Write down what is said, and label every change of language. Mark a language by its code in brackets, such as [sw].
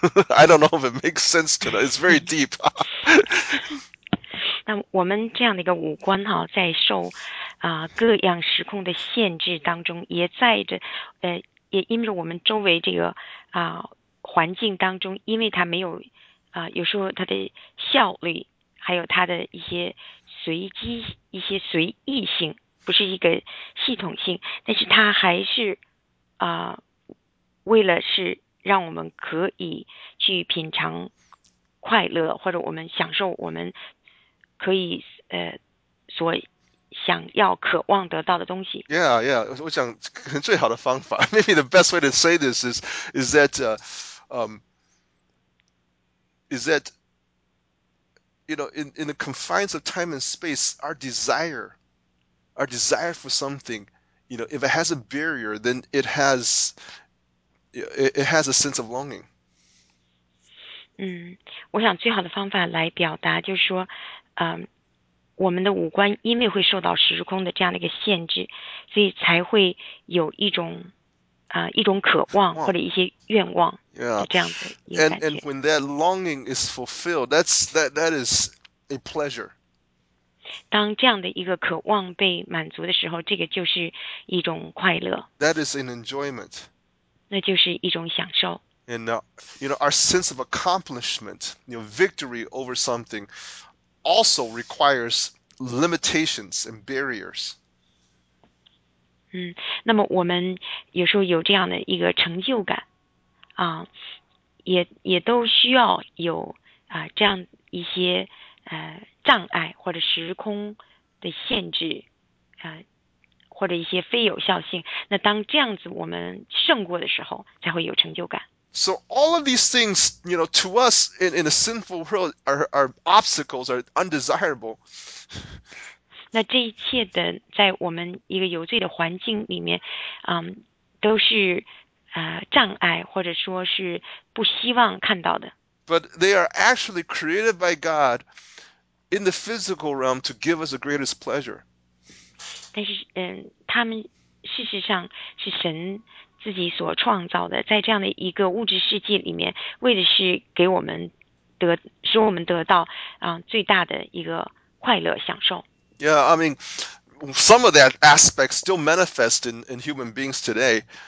[en] I don't know if it makes sense tonight. It's very deep. [zh] 那我们这样的一个五官哈，在受各样时空的限制当中，也在着也因为我们周围这个环境当中，因为它没有有时候它的效率，还有它的一些随机、一些随意性，不是一个系统性，但是它还是为了是让我们可以去品尝快乐，或者我们享受我们。可以所想要渴望得到的东西。 [en] Yeah, yeah. [zh] 我想可能最好的方法 [en] ，maybe the best way to say this is that is that you know in the confines of time and space, our desire for something, you know, if it has a barrier, then it has a sense of longing. [zh] 我想最好的方法来表达就是说。我们的五官因为会受到时空的这样的一个限制，所以才会有一种渴望或者一些愿望，这样子一个感觉。 [en] And when that longing is fulfilled, that is a pleasure. [zh] 当这样的一个渴望被满足的时候，这个就是一种快乐。 [en] That is an enjoyment. [zh] 那就是一种享受。 [en] And you know, our sense of accomplishment, you know, victory over something. Also requires limitations and barriers. [zh] 那么我们有时候有这样的一个成就感，也都需要有这样一些障碍或者时空的限制或者一些非有效性。那当这样子我们胜过的时候，才会有成就感。 [en] So all of these things, you know, to us in a sinful world are obstacles, are undesirable. [zh] 那这一切的在我们一个有罪的环境里面，都是障碍或者说是不希望看到的。 [en] But they are actually created by God in the physical realm to give us the greatest pleasure. [zh] 但是，他们事实上是神自己所创造的，在这样的一个物质世界里面，为的是给我们得，使我们得到最大的一个快乐享受。 [en] Yeah, I mean, some of that aspect still manifest in human beings today.